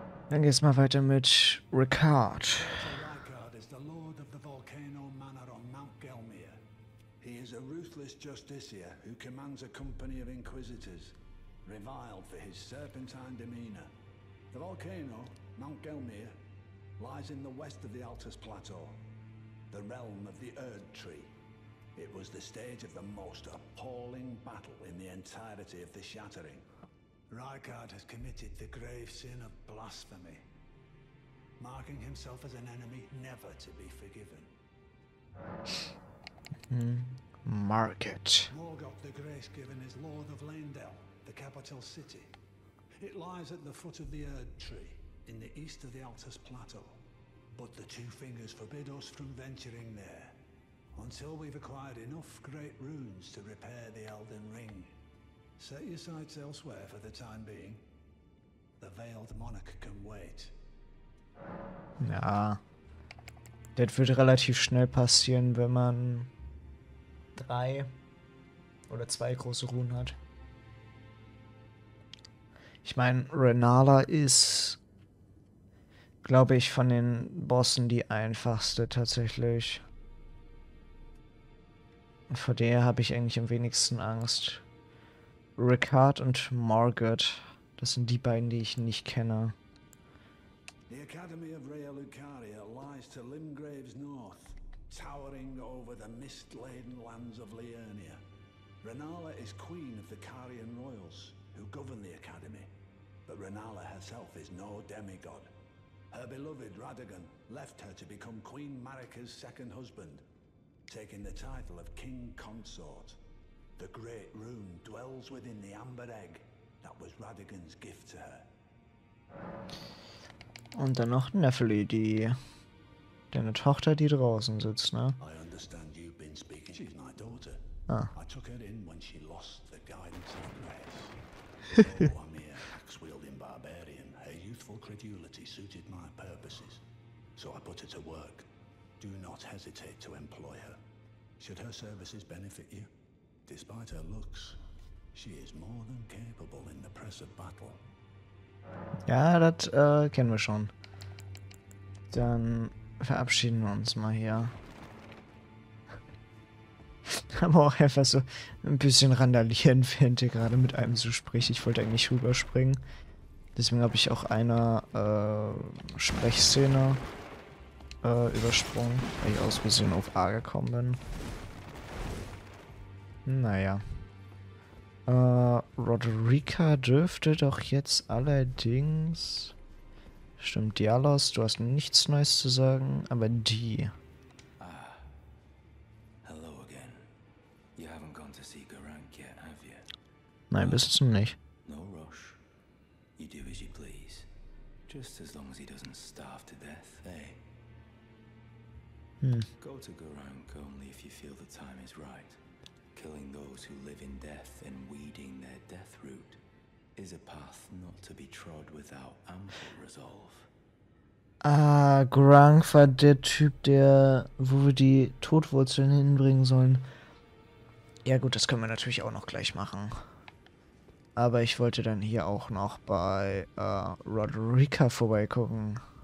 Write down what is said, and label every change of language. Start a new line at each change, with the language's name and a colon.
German: Dann geht's mal weiter mit Rykard.
English: Rykard is the Lord of the Volcano Manor on Mount Gelmir. He is a ruthless justiciar who commands a company of inquisitors, reviled for his serpentine demeanor. The volcano, Mount Gelmir, lies in the west of the Altus Plateau. The realm of the Erd Tree. It was the stage of the most appalling battle in the entirety of the Shattering. Rykard has committed the grave sin of blasphemy, marking himself as an enemy never to be forgiven. Mark it. Morgoth the Grace Given is Lord of Laemdel, the capital city. It lies at the foot of the Erd Tree, in the east of the Altus Plateau. But the two fingers forbid us from venturing there until we've acquired enough great runes to repair the Elden Ring. Set your sights elsewhere for the time being. The Veiled Monarch can wait.
German: Ja, das wird relativ schnell passieren, wenn man drei oder zwei große Runen hat. Ich meine, Rinala ist, glaube ich, von den Bossen die einfachste tatsächlich. Und vor der habe ich eigentlich am wenigsten Angst. Rykard und Morgott, das sind die beiden, die ich nicht kenne.
English: The Academy of Rhea Lucaria lies to Limgrave's north, towering over the mist-laden lands of Liurnia. Rinala is queen of the Carian royals, who govern the Academy. But Rinala herself is no demigod. Her beloved Radagon left her to become Queen Marika's second husband, taking the title of King Consort. The Great Rune dwells within the Amber Egg that was Radagon's gift to her.
German: Und dann noch Nephili, die Deine Tochter, die draußen sitzt, ne?
English: I understand you've been speaking to my daughter. Ah. I took her in when she lost the guidance of grace. So I'm here, axe-wielding barbarian. Her youthful credulity suited my purposes. So I put her to work. Do not hesitate to employ her. Should her services benefit you? Despite her looks, she is more than capable in the press of battle.
German: Ja, das kennen wir schon. Dann verabschieden wir uns mal hier. Aber auch einfach so ein bisschen randalieren, während er gerade mit einem so spricht. Ich wollte eigentlich rüberspringen. Deswegen habe ich auch eine Sprechszene übersprungen, weil ich aus Versehen auf A gekommen bin. Naja. Roderica dürfte doch jetzt allerdings... Stimmt, Dialos, du hast nichts Neues zu sagen, aber die...
English: Ah. Hello again. You haven't gone to see Garank yet, have you?
German: Nein, bist du nicht.
English: No rush. You do as you please. Just as long as he doesn't starve to death, eh? Go to Garank only if you feel the time is right. Killing those who live in death and weeding their death root is a path not to be trod without ample resolve.
German: Ah, Grunk war der Typ, der, wo wir die Todwurzeln hinbringen sollen. Ja gut, das können wir natürlich auch noch gleich machen. Aber ich wollte dann hier auch noch bei Roderica vorbeigucken.